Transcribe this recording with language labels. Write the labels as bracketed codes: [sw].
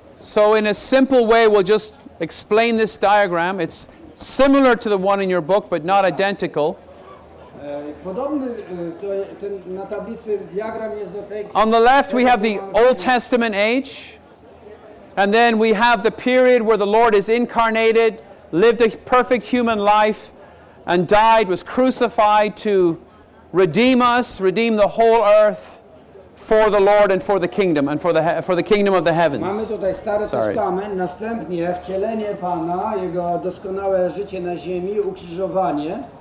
[en] So in a simple way, we'll just explain this diagram. It's similar to the one in your book, but not identical. [pl] Podobny ten na tablicy diagram jest do tej. [en] On the left we have the Old Testament age, and then we have the period where the Lord is incarnated, lived a perfect human life, and died, was crucified to redeem us, redeem the whole earth for the Lord and for the kingdom and for the kingdom of the heavens. [pl] Mamy tutaj Stary Testament, następnie wcielenie Pana, jego doskonałe życie na ziemi, ukrzyżowanie.